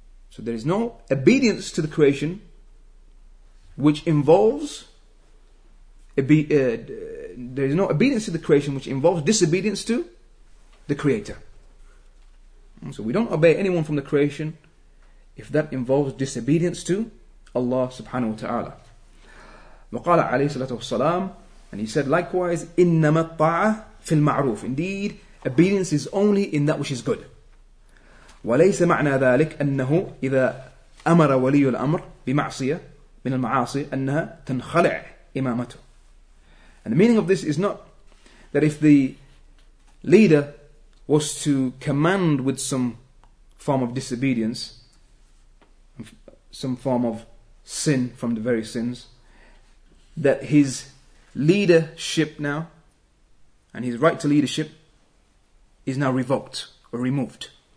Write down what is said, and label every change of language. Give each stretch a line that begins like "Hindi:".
English: So there is no obedience to the creation which involves disobedience to the Creator. So we don't obey anyone from the creation if that involves disobedience to Allah subhanahu wa ta'ala.
Arabic: وقال عليه الصلاة والسلام,
English: and he said likewise,
Arabic: إنما الطاعة في المعروف.
English: Indeed, obedience is only in that which is good.
Arabic: وليس معنى ذلك أنه إذا أمر ولي الأمر بمعصية من المعاصي أنها تنخلع إمامته.
English: And the meaning of this is not that if the leader was to command with some form of disobedience, some form of sin from the very sins, that his leadership now and his right to leadership is now revoked or removed.